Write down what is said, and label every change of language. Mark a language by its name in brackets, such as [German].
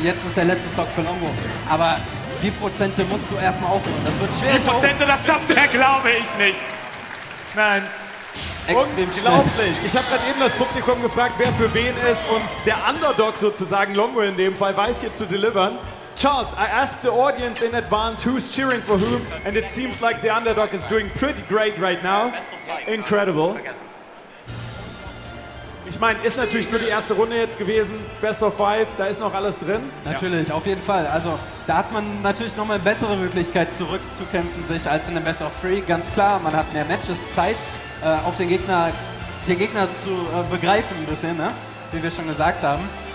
[German] Jetzt ist der letzte Stock für Longo. Aber die Prozente musst du erstmal aufholen. Das wird schwierig. Die Prozente, das schafft er, glaube ich nicht. Nein. Unglaublich. Ich habe gerade eben das Publikum gefragt, wer für wen ist. Und der Underdog sozusagen, Longo in dem Fall, weiß hier zu delivern. [English] Charles, I asked the audience in advance who's cheering for whom. And it seems like the Underdog is doing pretty great right now. Incredible. [German] Ich meine, ist natürlich nur die erste Runde jetzt gewesen. Best of five, da ist noch alles drin. Natürlich, auf jeden Fall. Also da hat man natürlich nochmal eine bessere Möglichkeit zurückzukämpfen sich als in einem Best of three. Ganz klar, man hat mehr Matches, Zeit. Auf den Gegner zu begreifen ein bisschen, ne? Wie wir schon gesagt haben.